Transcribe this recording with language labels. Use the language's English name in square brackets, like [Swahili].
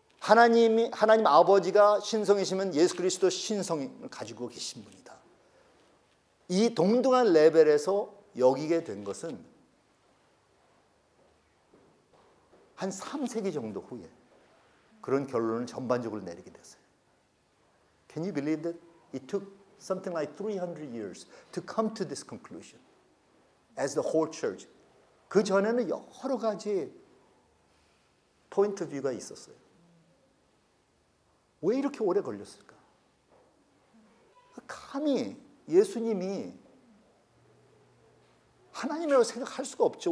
[Korean] 하나님 아버지가 신성이시면 예수 그리스도 신성을 가지고 계신 분이다. 이 동등한 레벨에서 여기게 된 것은 한 3세기 정도 후에 그런 결론을 전반적으로 내리게 됐어요. [English] Can you believe that it took something like 300 years to come to this conclusion as the whole church? [Korean] 그 전에는 여러 가지 포인트 뷰가 있었어요. 왜 이렇게 오래 걸렸을까? 감히 예수님이 하나님이라고 생각할 수가 없죠.